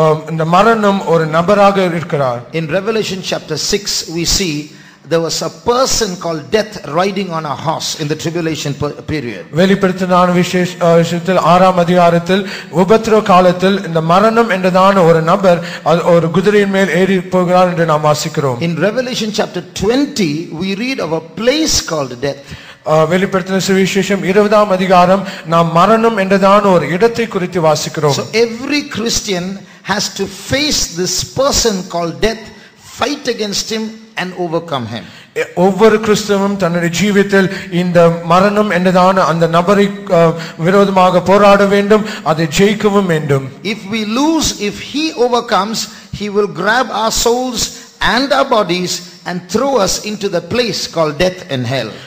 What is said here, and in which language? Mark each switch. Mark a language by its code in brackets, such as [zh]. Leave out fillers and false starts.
[ta] இந்த மரணம் ஒரு நபராக இருக்கிறார். [en] In Revelation chapter 6 we see there was a person called death riding on a horse in the tribulation period. [ta] வெளிப்படுத்தின விசேஷத்தில் 6 அதிகாரத்தில் உபத்திரவ காலத்தில் இந்த மரணம் என்றதான ஒரு நபர் ஒரு குதிரையின் மேல் ஏறி போகிறார் என்று நாம் வாசிக்கிறோம். [en] In Revelation chapter 20 we read of a place called death. [ta] வெளிப்படுத்தின சுவிசேஷம் 20 அதிகாரம் நாம் மரணம் என்றதான ஒரு இடத்தை குறித்து வாசிக்கிறோம். [en] So every Christian has to face this person called death, fight against him and overcome him. [ta] ஒவ்வொரு கிறிஸ்தவனும் தன்னுடைய ஜீவிதத்தில் இந்த மரணம் என்றதான அந்த நபரை விரோதமாக போராட வேண்டும், அதை ஜெயிக்கவும் வேண்டும். [en] If we lose, if he overcomes, he will grab our souls and our bodies and throw us into the place called death and hell.